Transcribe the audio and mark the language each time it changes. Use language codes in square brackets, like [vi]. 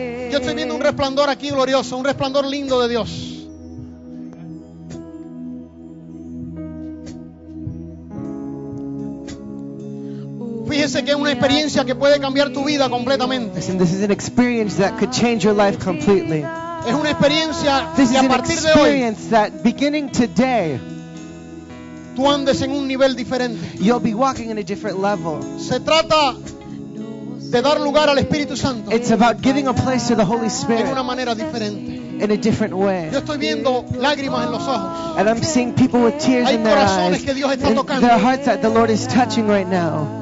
[es] Yo estoy viendo un resplandor aquí glorioso, un resplandor lindo de Dios. Fíjese que es una experiencia que puede cambiar tu vida completamente. [en] This is an experience that could change your life completely. [es] Es una experiencia que a partir de hoy, [en] that beginning today, [es] tú andes en un nivel diferente. [en] You'll be walking in a different level. [es] Se trata de dar lugar al Espíritu Santo. [en] It's about giving a place to the Holy Spirit. [es] En una manera diferente. [en] In a different way. [es] Yo estoy viendo lágrimas en los ojos. [en] And I'm seeing people with tears [es] hay [en] in their [es] corazones [en] eyes. [es] Que Dios está [en] and [es] tocando. [en] Their hearts that the Lord is touching right now.